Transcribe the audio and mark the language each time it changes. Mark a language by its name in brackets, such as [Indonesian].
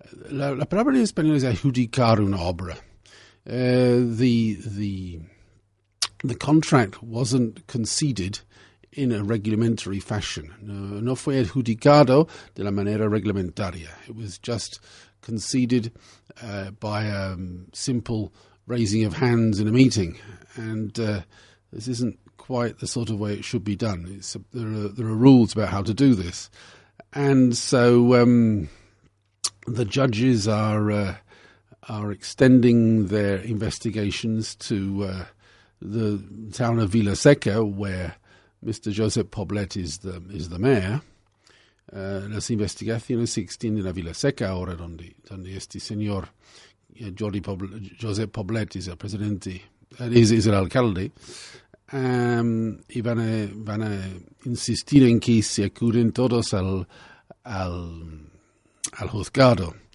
[Spanish] La palabra en español es adjudicar una obra. [English] The contract wasn't conceded in a reglamentary fashion. [Spanish] No fue adjudicado de la manera reglamentaria. [English] It was just conceded by a simple raising of hands in a meeting. And this isn't quite the sort of way it should be done. There are rules about how to do this. And so... the judges are extending their investigations to the town of Vilaseca, where Mr. Josep Poblet is the mayor. [Spanish] Las investigaciones se extienden a Vilaseca ahora, donde este señor Josep Poblet es el presidente, es el alcalde. Y van a insistir en que se acuden todos al juzgado.